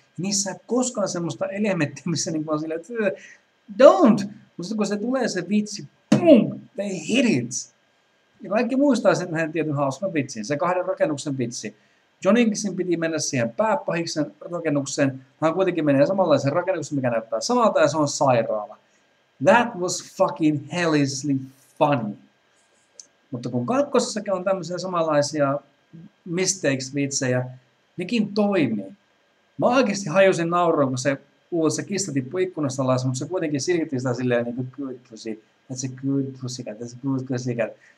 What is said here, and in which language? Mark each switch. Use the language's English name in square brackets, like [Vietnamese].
[Finnish] Niissä ei ole koskaan semmoista elementtiä, missä niin kuin on silleen, että [English] don't! [Finnish] Mutta kun se tulee se vitsi, [English] boom, they hit it! [Finnish] Ja kaikki muistaa sen yhden tietyn hauskan vitsin, se kahden rakennuksen vitsi. John Inglesin piti mennä siihen pääpahiksen rakennukseen, hän kuitenkin menee samanlaiseen rakennukseen, mikä näyttää samalta ja se on sairaala. [English] That was fucking hellishly funny. [Finnish] Mutta kun kakkosessakin on tämmöisiä samanlaisia mistakes-vitsejä, nekin toimii. Mä oikeasti hajusin nauroon, kun se kuulosti, se kista tippui ikkunasta alas, mutta se kuitenkin silti sitä silleen niin kuin [English] good pussy, that's a good pussy cat, [Finnish] that's a good pussy cat.